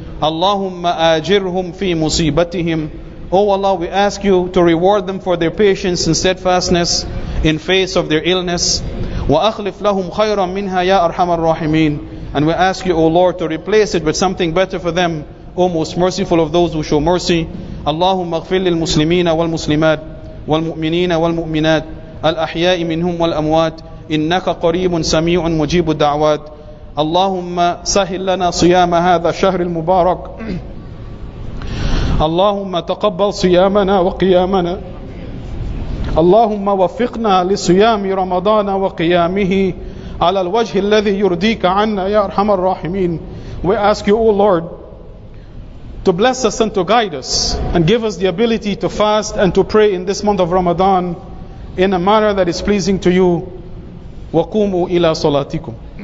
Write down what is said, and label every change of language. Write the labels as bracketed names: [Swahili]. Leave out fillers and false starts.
[Arabic] اللهم آجرهم في مصيبتهم. [English] O Allah, we ask you to reward them for their patience and steadfastness in face of their illness. [Arabic] وَأَخْلِفْ لَهُمْ خَيْرًا مِّنْهَا يَا أَرْحَمَ الرَّاحِمِينَ. [English] And we ask you, O Lord, to replace it with something better for them, O most merciful of those who show mercy. [Arabic] اللهم اغفر للمسلمين والمسلمات والمؤمنين والمؤمنات الأحياء منهم والأموات إنك قريب سميع مجيب الدعوات. اللهم سهل لنا صيام هذا الشهر المبارك. اللهم تقبل صيامنا وقيامنا. اللهم وفقنا لصيام رمضان وقيامه على الوجه الذي يرضيك عنا يا أرحم الراحمين. [English] We ask you, O Lord, to bless us and to guide us and give us the ability to fast and to pray in this month of Ramadan in a manner that is pleasing to you. [Arabic] وَقُومُوا إِلَى صَلَاتِكُمْ.